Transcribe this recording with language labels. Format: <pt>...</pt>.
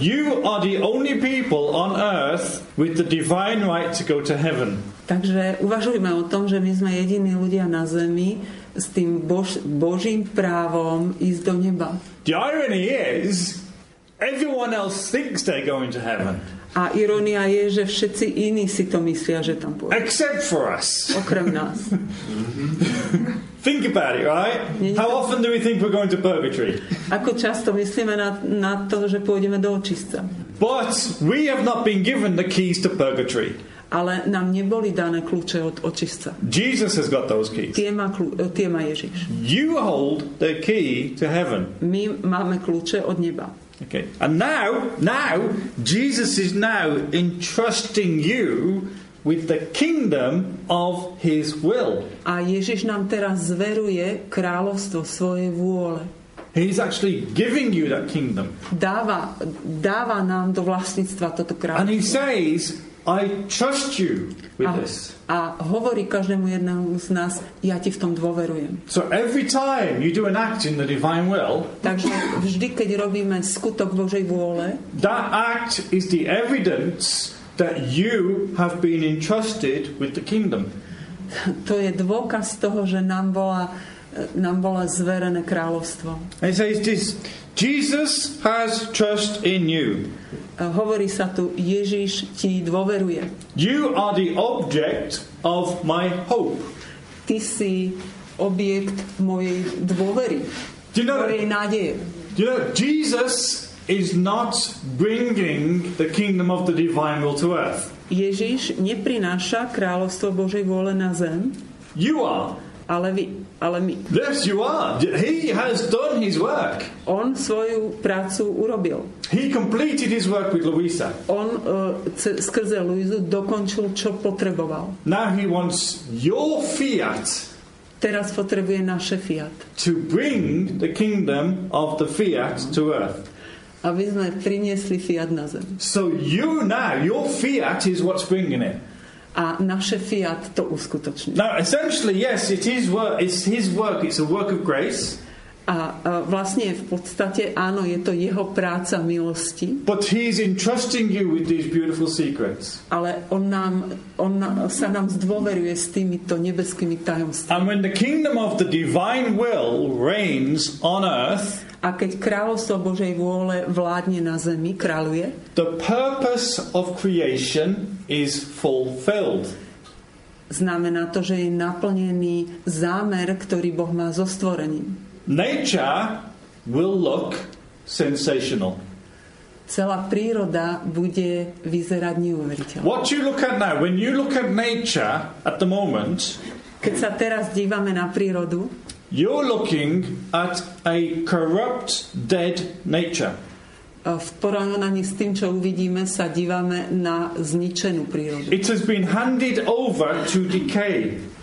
<en>You are the only people on earth with the divine right to go to heaven.</en> <sk>Takže uvažujme o tom, že my sme jediní ľudia na zemi s tým Božím právom ísť do neba.</sk> <en>The irony is, everyone else thinks they're going to heaven.</en> <sk>A ironia je, že všetci iní si to myslia, že tam pôjde.</sk> <en>Except for us.</en> <sk>Okrem nás.</sk> <en>Think about it, right? How often do we think we're going to purgatory?</en> <sk>Ako často myslíme na to, že pôjdeme do očistca?</sk> <en>But we have not been given the keys to purgatory.</en> <sk>Ale nám neboli dané kľúče od očistca.</sk> <en>Jesus has got those keys.</en> <sk>Tie má Ježiš.</sk> <en>You hold the key to heaven.</en> <sk>My máme kľúče od neba.</sk> <en>Okay. And now Jesus is now entrusting you with the kingdom of his will.</en> <sk>A Ježiš nám teraz zveruje kráľovstvo svojej vôle.</sk> <en>He's actually giving you that kingdom.</en> <sk>Dáva nám do vlastníctva toto kráľovstvo.</sk> <en>And he says, I trust you with this.</en> <sk>A hovorí každému jednému z nás, ja ti v tom dôverujem.</sk> <en>So every time you do an act in the divine will,</en> <sk>takže vždy, keď robíme skutok Božej vôle,</sk> <en>that act is the evidence that you have been entrusted with the kingdom.</en> <sk>To je dôkaz toho, že nám bola zverené kráľovstvo.</sk> <en>And he says this, Jesus has trust in you.</en> <sk>hovorí sa tu, Ježiš ti dôveruje.</sk> <en>You are the object of my hope.</en> <sk>Ty si objekt mojej dôvery.</sk> <en>Do you know,</en> <sk>mojej nádeje.</sk> <en>Do you know, Jesus is not bringing the kingdom of the divine will to earth.</en> <sk>Ježiš neprináša kráľovstvo Božej vôle na zem.</sk> <en>You are.</en> <sk>Ale vy, ale my.</sk> <en>Yes, you are. He has done his work.</en> <sk>On svoju prácu urobil.</sk> <en>He completed his work with Louisa.</en> <sk>On skrze Louisu dokončil, čo potreboval.</sk> <en>Now he wants your fiat.</en> <sk>Teraz potrebuje naše fiat.</sk> <en>To bring the kingdom of the fiat to earth.</en> <sk>Aby sme priniesli fiat na zem.</sk> <en>So you now, your fiat is what's bringing it.</en> <sk>A naše fiat to uskutoční.</sk> <en>Now, essentially, yes, it is work, it's his work, it's a work of grace.</en> <sk>A vlastne v podstate áno, je to jeho práca milosti.</sk> <en>But he's entrusting you with these beautiful secrets.</en> <sk>Ale on sa nám zdôveruje s týmito nebeskými tajomstvami.</sk> <en>And when the kingdom of the divine will reigns on earth,</en> <sk>a keď kráľovstvo Božej vôle vládne na zemi, kráľuje,</sk> <en>the purpose of creation is fulfilled.</en> <sk>Znamená to, že je naplnený zámer, ktorý Boh má so stvorením.</sk> <en>Nature will look sensational.</en> <sk>Celá príroda bude vyzerať neuveriteľne.</sk> <en>What you look at now, when you look at nature at the moment,</en> <sk>keď sa teraz dívame na prírodu,</sk> <en>you're looking at a corrupt, dead nature.</en> <sk>V porovnaní s tým, čo uvidíme, sa dívame na zničenú prírodu.</sk> <en>It has been handed over to decay.</en>